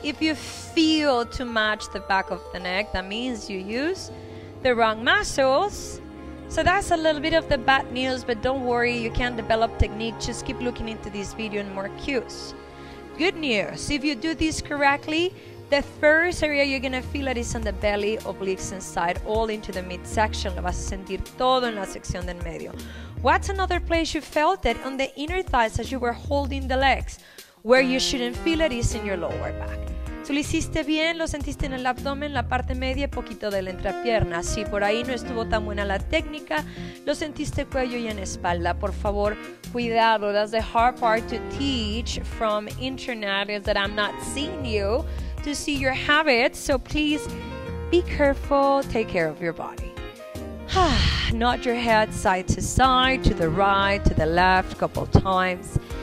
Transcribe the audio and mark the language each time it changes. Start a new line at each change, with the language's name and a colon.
English: If you feel too much the back of the neck, that means you use the wrong muscles. So that's a little bit of the bad news, but don't worry, you can develop technique. Just keep looking into this video and more cues. Good news, if you do this correctly, the first area you're gonna feel it is on the belly, obliques and side, all into the midsection.
Spanish: Lo vas a sentir todo en la sección del medio.
English: What's another place you felt it? On the inner thighs as you were holding the legs. Where you shouldn't feel it is in your lower back.
Spanish: Tú lo hiciste bien, lo sentiste en el abdomen, la parte media, poquito de la entrepierna. Si por ahí no estuvo tan buena la técnica, lo sentiste cuello y en espalda. Por favor, cuidado.
English: That's the hard part to teach from internet is that I'm not seeing you to see your habits. So please be careful, take care of your body. Nod your head side to side, to the right, to the left, a couple times.